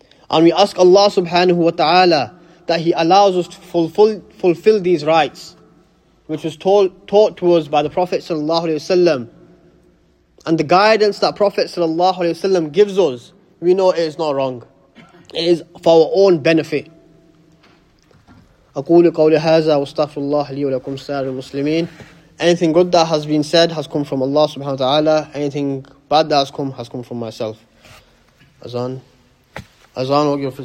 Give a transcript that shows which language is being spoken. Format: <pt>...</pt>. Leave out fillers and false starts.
<en>And we ask Allah subhanahu wa ta'ala that He allows us to fulfill these rights, which was taught to us by the Prophet sallallahu alaihi wasallam. And the guidance that Prophet sallallahu alaihi wasallam gives us, we know it is not wrong. It is for our own benefit.</en> <ar>أقول قولي هذا واستغفر الله لي ولكم سائر المسلمين.</ar> <en>Anything good that has been said has come from Allah subhanahu wa ta'ala. Anything bad that has come from myself. Azan. Azan.</en>